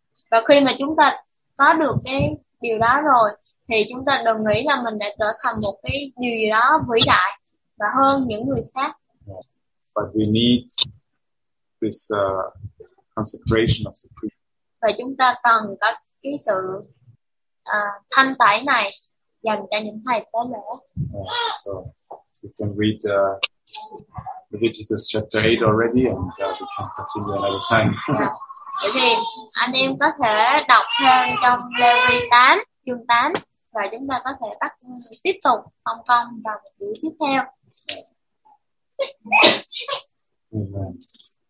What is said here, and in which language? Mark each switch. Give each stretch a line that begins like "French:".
Vietnamese: Và khi mà chúng ta có được cái điều đó rồi thì chúng ta đừng nghĩ là mình đã trở thành một cái điều gì đó vĩ đại và hơn những người khác.
English: But we need this consecration of the priest.
Vietnamese: Và chúng ta cần có cái sự thanh tẩy này dành cho những thầy tế lễ.
English: So you can read Leviticus chapter 8 already and we can continue another time.
Vietnamese: Vậy thì anh em có thể đọc thêm trong Lê-vi 8, chương 8 và chúng ta có thể bắt tiếp tục thông công vào buổi tiếp theo.